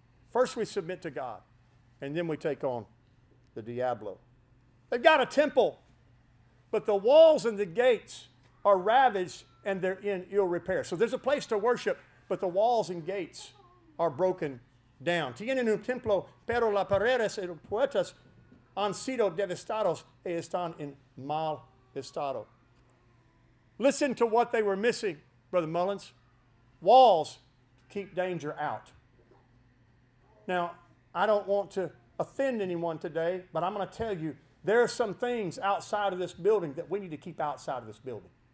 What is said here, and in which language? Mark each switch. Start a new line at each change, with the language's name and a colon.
English: First we submit to God, and then we take on the diablo. They've got a temple, but the walls and the gates are ravaged and they're in ill repair. So there's a place to worship, but the walls and gates are broken down.
Spanish: Tienen un templo, pero las paredes y los puertas han sido devastados y están en mal estado.
English: Listen to what they were missing, Brother Mullins. Walls keep danger out. Now, I don't want to offend anyone today, but I'm going to tell you, there are some things outside of this building that we need to keep outside of this building.